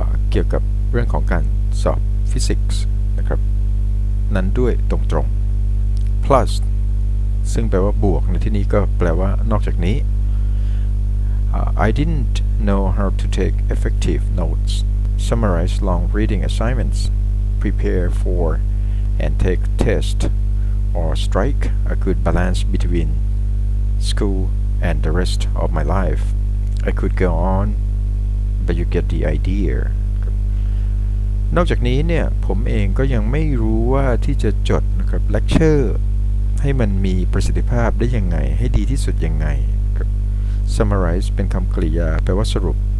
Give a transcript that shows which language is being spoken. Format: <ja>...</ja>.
<th>เกี่ยวกับเรื่องของการสอบฟิสิกส์นะครับนั้นด้วยตรงๆ plus ซึ่งแปลว่าบวกในที่นี้ก็แปลว่านอกจากนี้</th> <en>I didn't know how to take effective notes summarize long reading assignments prepare for and take testor strike a good balance between school and the rest of my life. I could go on, but you get the idea.</en> <th>นอกจากนี้เนี่ยผมเองก็ยังไม่รู้ว่าที่จะจดนะครับเลคเชอร์ให้มันมีประสิทธิภาพได้ยังไงให้ดีที่สุดยังไง summarize เป็นคำกริยาแปลว่าสรุป</th>